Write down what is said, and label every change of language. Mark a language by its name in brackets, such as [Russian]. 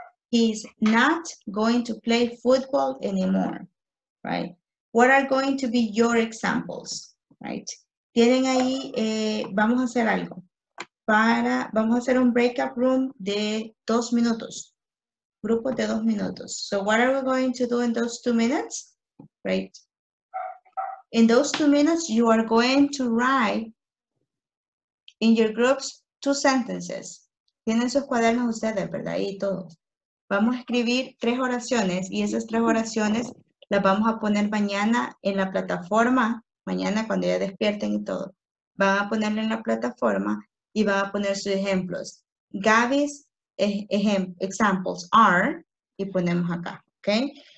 [English] He's not going to play football anymore, right? What are going to be your examples, right? [Spanish] Tienen ahí, vamos a hacer algo. Vamos a hacer un breakout room de 2 minutos. Grupo de 2 minutos. [English] So what are we going to do in those 2 minutes? Right. In those 2 minutes, you are going to write in your groups 2 sentences. [Spanish] Tienen sus cuadernos ustedes, ¿verdad? Y todos. Vamos a escribir 3 oraciones y esas 3 oraciones las vamos a poner mañana en la plataforma. Mañana cuando ya despierten y todo. Van a ponerle en la plataforma y van a poner sus ejemplos. [English] Gaby's examples are, [Spanish] y ponemos acá, ¿ok? Okay.